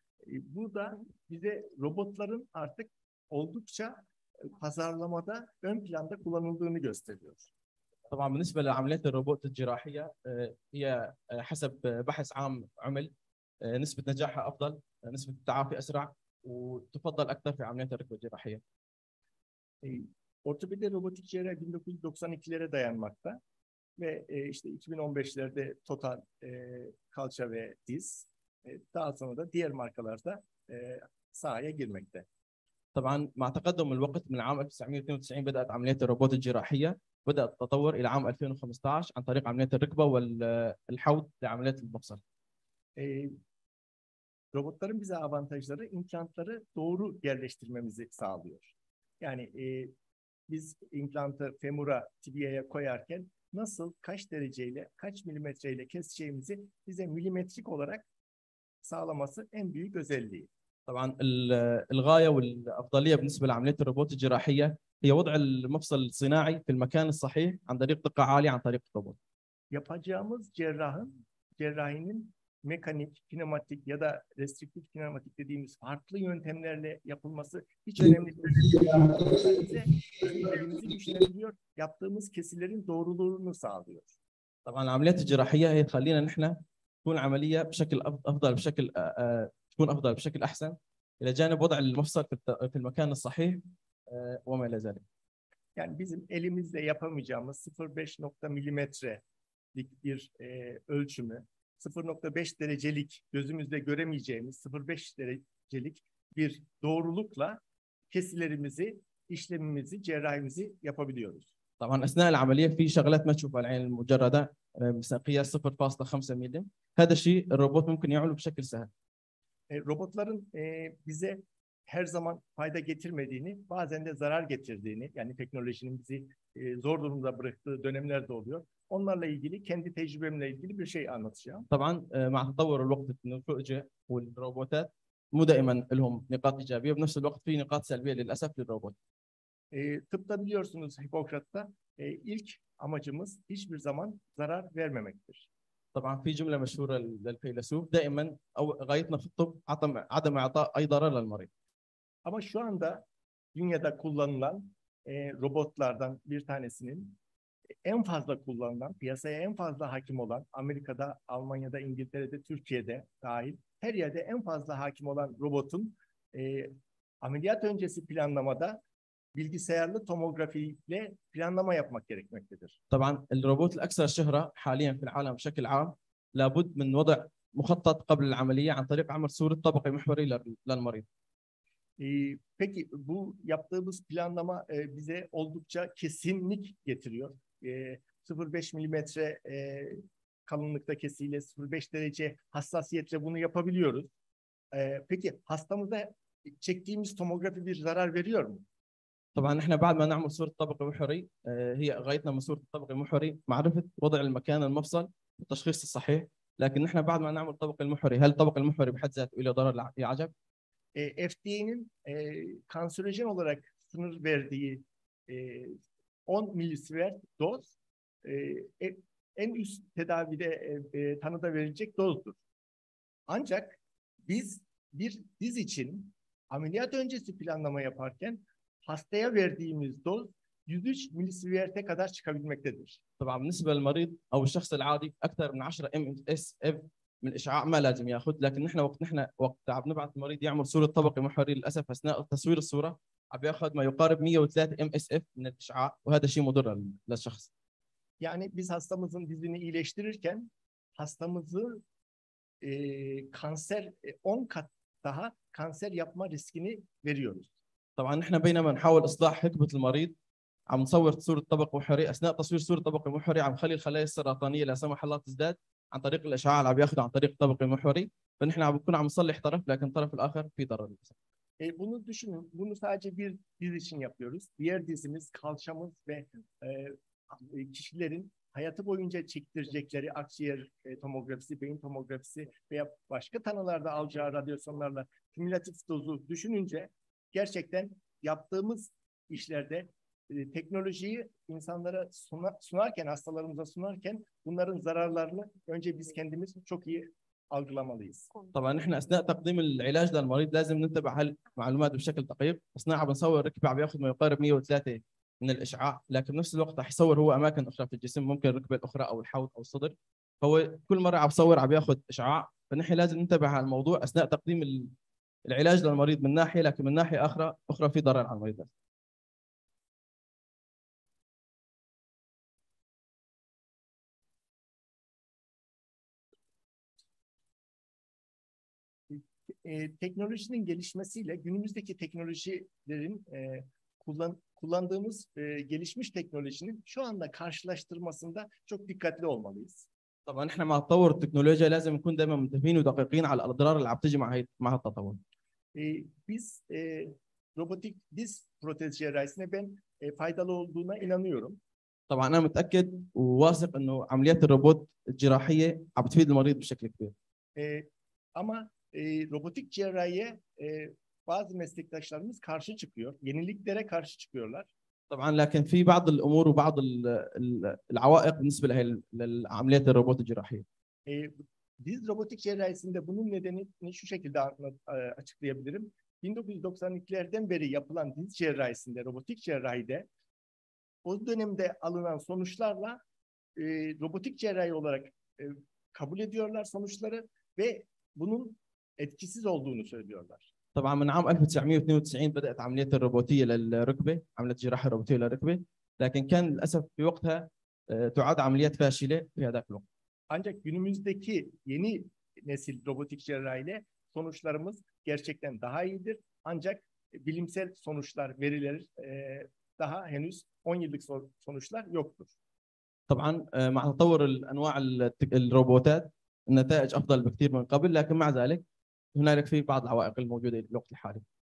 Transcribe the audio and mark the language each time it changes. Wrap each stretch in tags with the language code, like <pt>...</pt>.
<tr>Bu da bize robotların artık oldukça pazarlamada ön planda kullanıldığını gösteriyor.</tr> <ar>طبعا بالنسبه لعمليات الروبوت الجراحيه هي حسب بحث عام عمل نسبه نجاحها افضل نسبه التعافي اسرع وتفضل اكثر في عمليات الركبه الجراحيه</ar> <tr>ortopedi robotik cerrahi 1992'lere dayanmakta ve işte 2015'lerde total kalça ve diz daha sonra da diğer markalarda sahaya girmekte</tr> <ar>طبعا مع تقدم الوقت من عام 1992 بدات عمليات الروبوت الجراحيه بدأ التطور إلى عام 2015 عن طريق عمليات الركبة والحوض لعمليات المفصل.</ar> <tr>روبوتların bize avantajları implantları doğru yerleştirmemizi sağlıyor. Yani biz implantı femura tibiaya koyarken nasıl kaç dereceyle kaç milimetreyle keseceğimizi bize milimetrik olarak sağlaması en büyük özelliği.</tr> <ar>طبعاً الغاية والأفضلية بالنسبة لعمليات الروبوت الجراحية هي وضع المفصل الصناعي في المكان الصحيح عن طريق دقة عالية عن طريق الروبوت.</ar> <tr>yapacağımız cerrahın cerrahinin mekanik, kinematik ya da restriktif kinematik dediğimiz farklı yöntemlerle yapılması hiç önemli değil. yaptığımız kesilerin doğruluğunu sağlıyor.</tr> <ar>طبعاً عمليات الجراحية هي تخلينا نحن تكون عملية بشكل أفضل بشكل تكون أفضل بشكل أحسن إلى جانب وضع المفصل في المكان الصحيح وما إلى ذلك. يعني</ar> <tr>bizim elimizle yapamayacağımız 0.5 nokta milimetrelik bir ölçümü 0.5 derecelik gözümüzle göremeyeceğimiz 0.5 derecelik bir doğrulukla kesilerimizi işlemimizi cerrahimizi yapabiliyoruz.</tr> <ar>طبعا أثناء العملية في شغلات ما تشوفها العين المجردة مثلا قياس 0.5 ملم هذا الشيء الروبوت ممكن يعمله بشكل سهل.</ar> <tr>Robotların bize her zaman fayda getirmediğini, bazen de zarar getirdiğini, yani teknolojinin bizi zor durumda bıraktığı dönemler de oluyor. Onlarla ilgili kendi tecrübemle ilgili bir şey anlatacağım. Taban, mağdur olukta teknoloji ve robotlar, müdaimen elhum nokat ijabiye, bu nesil vakit fi nokat selbiye lilasaf lil robot. Tıpta biliyorsunuz Hipokrat'ta ilk amacımız hiçbir zaman zarar vermemektir.</tr> <ar>طبعا في جملة مشهورة للفيلسوف دائما أو غايتنا في الطب عدم إعطاء أي ضرر للمريض. أما</ar> <tr>şu anda dünyada kullanılan robotlardan bir tanesinin en fazla kullanılan piyasaya en fazla hakim olan Amerika'da, Almanya'da, İngiltere'de, Türkiye'de dahil her yerde en fazla hakim olan robotun ameliyat öncesi planlamada bilgisayarlı tomografiyle planlama yapmak gerekmektedir.</tr> <ar>طبعاً الروبوت الأكثر شهرة حالياً في العالم بشكل عام لابد من وضع مخطط قبل العملية عن طريق عمل صورة طبقي محوري للمريض.</ar> <tr>Peki bu yaptığımız planlama bize oldukça kesinlik getiriyor. 0.5 milimetre kalınlıkta kesiyle 0.5 derece hassasiyetle bunu yapabiliyoruz. Peki hastamıza çektiğimiz tomografi bir zarar veriyor mu?</tr> <ar>طبعا احنا بعد ما نعمل صوره طبقي محوري هي غايتنا من صوره الطبقي المحوري معرفه وضع المكان المفصل والتشخيص الصحيح لكن احنا بعد ما نعمل الطبقي المحوري هل الطبقي المحوري بحد ذاته له ضرر يعجب</ar> <tr>FDA'nin kanserojen olarak sınır verdiği 10 milisievert doz en üst tedavide tanıda verilecek dozdur. Ancak biz bir diz için ameliyat öncesi planlama yaparken hastaya verdiğimiz doz 103 milisiviyerte kadar çıkabilmektedir.</tr> <ar>طبعا بالنسبه للمريض او الشخص العادي اكثر من 10 ام اس اف من اشعاع ما لازم ياخذ، لكن احنا وقت نحن وقت عم نبعث المريض يعمل صوره طبقي محوري للاسف اثناء تصوير الصوره عم بياخذ ما يقارب 103 ام اس اف من الاشعاع وهذا شيء مضر للشخص. يعني</ar> <tr>biz hastamızın dizini iyileştirirken hastamızı kanser 10 kat daha kanser yapma riskini veriyoruz.</tr> <ar>طبعا احنا بينما نحاول اصلاح حقبه المريض عم نصور صوره طبق محوري، اثناء تصوير صوره طبق محوري عم نخلي الخلايا السرطانيه لا سمح الله تزداد عن طريق الاشعاع اللي عم ياخذه عن طريق طبق محوري، فنحن عم بنكون عم نصلح طرف لكن الطرف الاخر في ضرر.</ar> <tr>Bunu düşünün, bunu sadece bir diz için yapıyoruz. Diğer dizimiz, kalçamız ve kişilerin hayatı boyunca çektirecekleri akciğer tomografisi, beyin tomografisi veya başka tanılarda alacağı radyasyonlarla kümülatif dozu düşününce gerçekten yaptığımız işlerde teknolojiyi insanlara sunarken, hastalarımıza sunarken bunların zararlarını önce biz kendimiz çok iyi algılamalıyız. Tabii,</tr> <ar>نحن أثناء تقديم العلاج للمريض لازم ننتبع هالمعلومات بشكل دقيق. أثناء عم نصور ركبة عم يأخذ ما يقارب 103 من الإشعاع، لكن نفس الوقت رح يصور هو أماكن أخرى في الجسم، ممكن الركبة الأخرى أو الحوض أو الصدر. فهو كل مرة عم يصور عم يأخذ إشعاع، فنحن لازم ننتبع هالموضوع أثناء تقديم العلاج للمريض من ناحية، لكن من ناحية أخرى في ضرر على المريض.</ar> <tr>Teknolojinin gelişmesiyle günümüzdeki teknolojilerin kullandığımız gelişmiş teknolojinin şu anda karşılaştırmasında çok dikkatli olmalıyız.</tr> <ar>طبعا احنا مع التطور التكنولوجيا لازم نكون دائما منتبهين ودقيقين على الاضرار اللي عم تجي مع التطور.</ar> <tr>Biz robotik diz protez cerrahisine ben faydalı olduğuna inanıyorum.</tr> <ar>طبعا انا متاكد وواثق انه عمليات الروبوت الجراحيه عم تفيد المريض بشكل كبير.</ar> <tr>Ama robotik cerrahiye bazı meslektaşlarımız karşı çıkıyor. Yeniliklere karşı çıkıyorlar.</tr> <ar>طبعا لكن في بعض الامور وبعض العوائق بالنسبه لهي العمليات الروبوت الجراحيه.</ar> <tr>Diz robotik cerrahisinde bunun nedenini şu şekilde açıklayabilirim. 1992'lerden beri yapılan diz cerrahisinde, robotik cerrahide o dönemde alınan sonuçlarla robotik cerrahi olarak kabul ediyorlar sonuçları ve bunun etkisiz olduğunu söylüyorlar.</tr> <ar>طبعا من عام 1992 بدات عمليه الروبوتيه للركبه، عمليه جراحه روبوتيه للركبه، لكن كان للاسف في وقتها تعد عمليات فاشله في هذاك الوقت.</ar> <tr>Ancak günümüzdeki yeni nesil robotik cerrahiyle sonuçlarımız gerçekten daha iyidir. Ancak bilimsel sonuçlar, veriler daha henüz 10 yıllık sonuçlar yoktur.</tr> <ar>طبعا مع تطور الانواع الروبوتات النتائج افضل بكثير من قبل، لكن مع ذلك هناك في بعض العوائق الموجوده الوقت الحالي.</ar>